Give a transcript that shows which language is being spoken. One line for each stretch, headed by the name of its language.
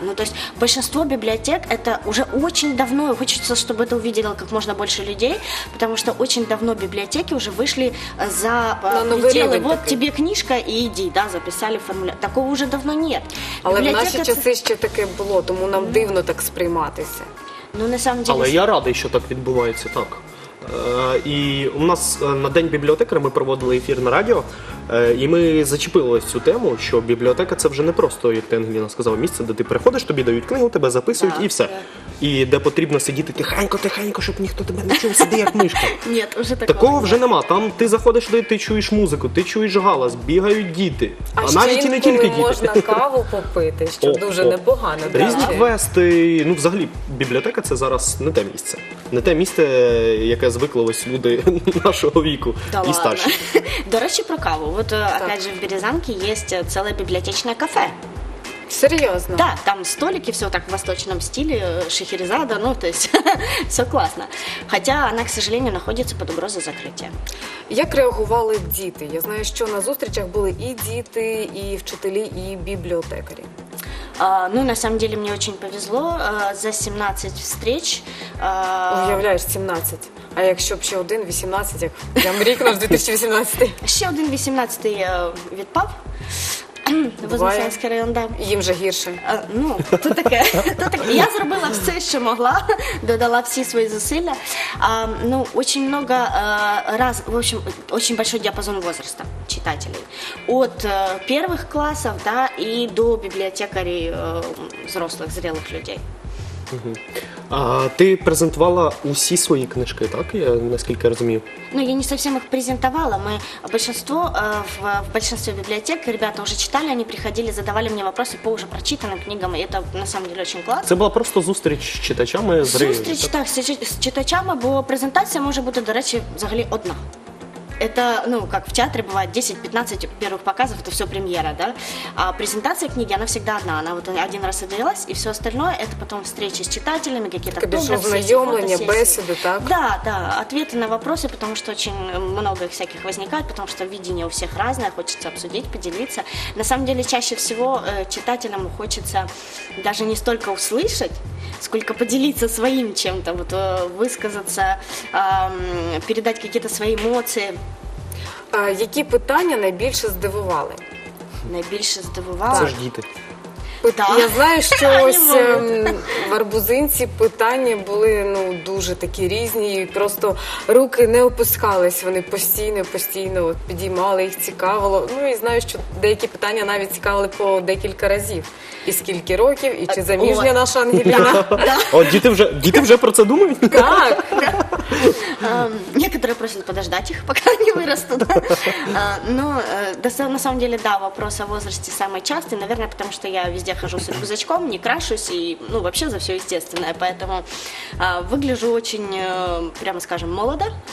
Russian: Ну, то есть большинство библиотек это уже очень давно, и хочется, чтобы это увидело как можно больше людей, потому что очень давно библиотеки уже вышли за пределы. Вот такой. Тебе книжка и иди, да, записали формуляр. Такого уже давно нет. Но в наши часы еще
Ukrainian: таке было, тому нам дивно так сприйматися.
Russian: Ну, на самом деле...
Ukrainian: Але я радий, що так відбувається, так. І у нас на День бібліотекаря ми проводили ефір на радіо, і ми зачепили цю тему, що бібліотека – це вже не просто, як ти, Ангеліна, сказала, місце, де ти приходиш, тобі дають книгу, тебе записують, так, і все. І де потрібно сидіти тихенько, щоб ніхто тебе не чув, сиди як мишка. Ні, вже такого. Такого вже нема. Там ти заходиш, де ти чуєш музику, ти чуєш галас, бігають діти. А навіть і не тільки діти. А ще можна каву попити, що дуже непогано. Різні квести. Ну, взагалі, бібліотека – це зараз не те місце. Не те місце, яке звикли ось люди нашого віку і старші. До речі, про каву. От,
Russian: опять же,
Ukrainian: в Березанці є ціле бібліотечне кафе.
Russian: Серьезно? Да, там столики, все так в восточном стиле, шахерезада, ну, то есть, все классно. Хотя она, к сожалению, находится под угрозой закрытия.
Ukrainian: Як реагували діти? Я знаю, що на зустрічах були і діти, і вчителі, і бібліотекарі.
Russian: Ну, на самом деле, мне очень повезло. За 17 встреч...
Ukrainian: Уявляешь, 17. А якщо б ще один, 18, як я мрікнув з 2018-й? Ще один 18-й відпав. Вознесенський район, да. Їм же гірше. Ну, то таке. Я зробила все, що могла, додала всі свої зусилля.
Russian: Ну, очень много раз, в общем, очень большой диапазон возраста читателей. От первых классов, да, и до бібліотекарей взрослых, зрелых людей.
Ukrainian: А ти презентувала усі свої книжки, так? Я наскільки розумію.
Russian: Ну, я не совсем их презентовала. Мы большинство, в большинстве библиотек ребята уже читали, они приходили, задавали мне вопросы по уже прочитанным книгам, и это на самом деле очень классно.
Ukrainian: Це була просто зустріч з читачами? Зустріч, так, з читачами, бо презентація може бути, до речі, взагалі одна.
Russian: Это, ну, как в театре бывает, 10-15 первых показов, это все премьера, да. А презентация книги, она всегда одна, она вот один раз отдалась, и все остальное, это потом встречи с читателями, какие-то автографы, знакомления, беседы, так? Да, да, ответы на вопросы, потому что очень много всяких возникает, потому что видение у всех разное, хочется обсудить, поделиться. На самом деле, чаще всего читателям хочется даже не столько услышать, сколько поделиться своим чем-то, вот, высказаться, передать какие-то свои эмоции.
Ukrainian: Які питання найбільше здивували? Найбільше здивували? Це ж діти. Я знаю, що ось в Арбузинці питання були, ну, дуже такі різні, і просто руки не опускались, вони постійно от підіймали, їх цікавило. Ну, і знаю, що деякі питання навіть цікавили по декілька разів. І скільки років, і чи заміжня наша Ангеліна. О, діти вже про це думають? Так.
Russian: Некоторые просят подождать их, пока они вырастут. Но на самом деле, да, вопрос о возрасте самый частый, наверное, потому что я везде хожу с рюкзачком, не крашусь и, ну, вообще за все естественное, поэтому выгляжу очень, прямо скажем, молодо.